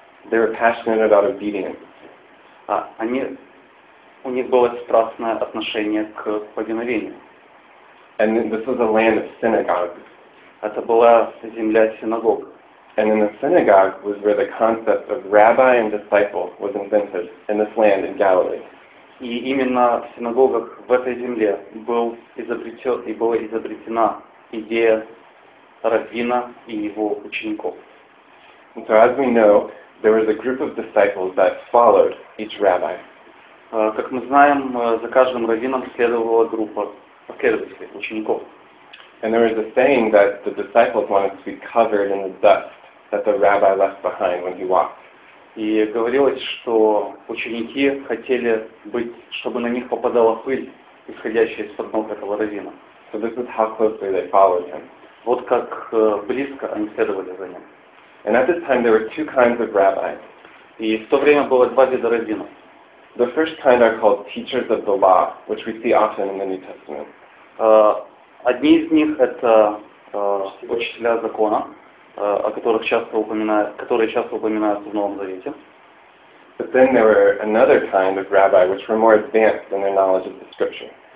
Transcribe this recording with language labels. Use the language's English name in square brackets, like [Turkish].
[English] They were passionate about obedience. [Russian] У них было страстное отношение к повиновению. [English] And this was a land of synagogues. [Russian] Это была земля синагог. [English] And in the synagogue was where the concept of rabbi and disciple was invented in this land in Galilee. [Russian] И именно в синагогах в этой земле была изобретена идея раввина и его учеников. [English] And so as we know, there was a group of disciples that followed each rabbi. [Russian] Как мы знаем, за каждым раввином следовала группа последователей, учеников. [English] And there was a saying that the disciples wanted to be covered in the dust that the rabbi left behind when he walked. [Russian] И говорилось, что ученики хотели быть, чтобы на них попадала пыль, исходящая из-под ног этого раввина. [English] So this is how closely they followed him. [Russian] Вот как близко они следовали за ним. [English] And at this time there were two kinds of rabbis. [Russian] И в то время было два вида раввинов. [English] The first kind are called teachers of the law, which we see often in the New Testament. [Russian] Одни из них это учителя закона, которые часто упоминаются в Новом Завете. [English] But then there were another kind of rabbi which were more advanced in their knowledge of the scripture.